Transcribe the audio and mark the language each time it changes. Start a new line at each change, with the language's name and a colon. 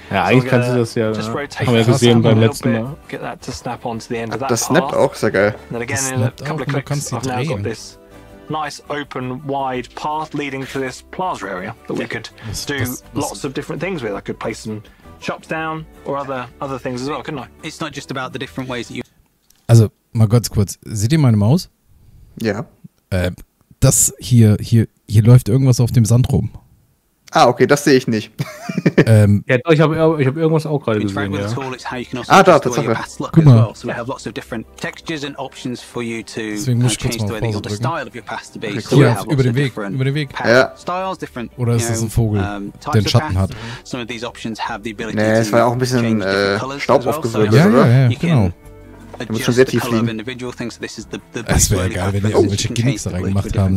German: Ja, eigentlich kannst du das ja, haben wir ja gesehen beim letzten Mal.
English: Get that to snap onto the end of that path.
German: Das snappt auch, sehr geil. Das snappt auch, du kannst sie drehen.
English: Nice open wide path leading to this plaza area that we could lots of different things with. I could place some shops down or other things as well, couldn't I? It's not just about the different ways that you.
German: Also, mal ganz kurz, seht ihr meine Maus? Ja. Das hier läuft irgendwas auf dem Sand rum. Ah, okay, das sehe ich nicht. ja, ich hab irgendwas auch gerade gesehen. Ja. Ah, da, Tatsache. Guck mal.
English: So we have lots of different textures and options for you to change the way that the style of your path to be.
German: Okay, cool. Yeah, über den Weg. Ja.
English: Styles, different,
German: oder ist es ein Vogel, der einen Schatten hat?
English: Some of these options have the ability to
German: es war auch ein bisschen Staub aufgewirbelt, ja, oder? Ja, genau. Du musst schon sehr tief fliegen. Es wäre ja geil, wenn die irgendwelche Gimmicks da reingemacht haben.